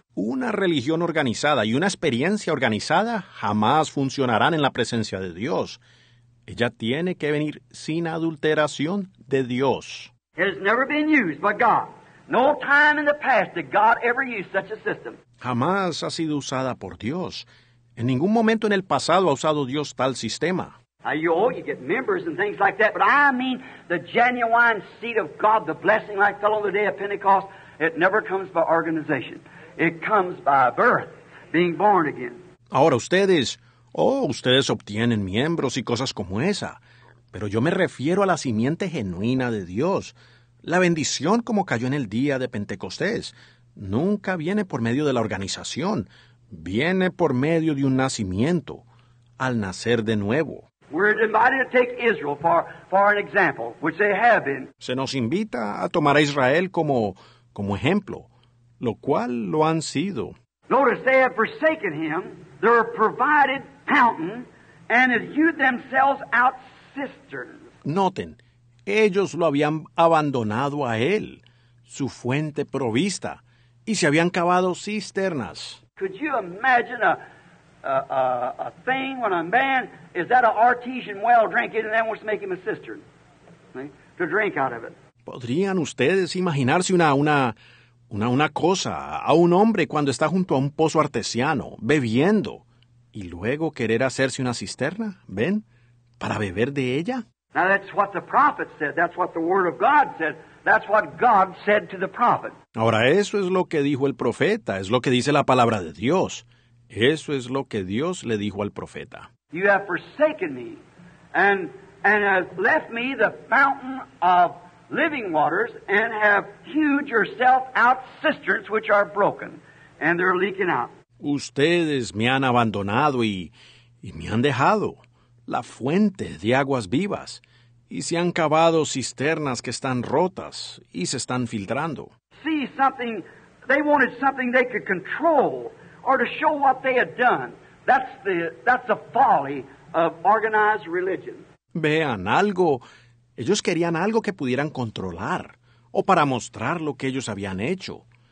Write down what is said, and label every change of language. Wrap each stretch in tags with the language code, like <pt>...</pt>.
<es>Una religión organizada y una experiencia organizada jamás funcionarán en la presencia de Dios. Ella tiene que venir sin adulteración de Dios.</es> <en>It has never been used by God. No time in the past did God ever use such a system.</en> <es>Jamás ha sido usada por Dios. En ningún momento en el pasado ha usado Dios tal sistema.</es> <en>You get members and things like that, but I mean the genuine seed of God, the blessing like fellow on the day of Pentecost, it never comes by organization. It comes by birth, being born again.</en> <es>Ahora ustedes, ustedes obtienen miembros y cosas como esa. Pero yo me refiero a la simiente genuina de Dios. La bendición como cayó en el día de Pentecostés nunca viene por medio de la organización. Viene por medio de un nacimiento, al nacer de nuevo.</es> <en>We're invited to take Israel for an example, which they have been.</en> <es>Se nos invita a tomar a Israel como ejemplo, lo cual lo han sido.</es> <en>Notice they have forsaken him, their provided fountain, and have hewed themselves out cisterns.</en> <es>Noten, ellos lo habían abandonado a él, su fuente provista, y se habían cavado cisternas.</es> <en>Could you imagine a thing when a man is at an artesian well drinking and then wants to make him a cistern, right, to drink out of it?</en> <es>¿Podrían ustedes imaginarse una cosa a un hombre cuando está junto a un pozo artesiano, bebiendo, y luego querer hacerse una cisterna, ven, para beber de ella?</es> <en>Now that's what the prophet said. That's what the word of God said. That's what God said to the prophet.</en> <es>Ahora eso es lo que dijo el profeta. Es lo que dice la palabra de Dios. Eso es lo que Dios le dijo al profeta.</es> <en>You have forsaken me, and have left me the fountain of living waters, and have hewed yourself out cisterns which are broken, and they're leaking out.</en> <es>Ustedes me han abandonado y me han dejado la fuente de aguas vivas, y se han cavado cisternas que están rotas y se están filtrando.</es> <en>See, something, they wanted something they could control or to show what they had done. That's the folly of organized religion.</en> <es>Vean algo. Ellos querían algo que pudieran controlar o para mostrar lo que ellos habían hecho.</es>